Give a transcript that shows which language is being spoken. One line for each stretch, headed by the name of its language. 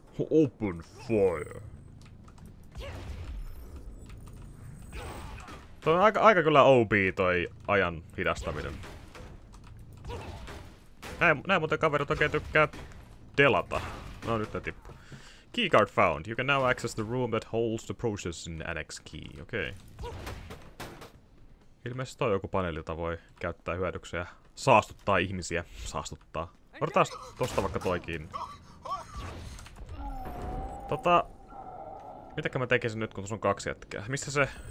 English: Open fire.
Finnish: Toi on aika kyllä OP toi ajan hidastaminen. Näin muuten kaverit oikein tykkää delata. No nyt ne tippu.
English: Keycard found. You can now access the room that holds the processing annex key.
Finnish: Okei. Okay. Ilmeisesti toi joku paneeli, jota voi käyttää hyödyksi ja saastuttaa ihmisiä. Saastuttaa. Odotetaan tosta vaikka toikin. Mitäkö mä tekisin nyt, kun tuossa on kaksi jätkää? Missä se...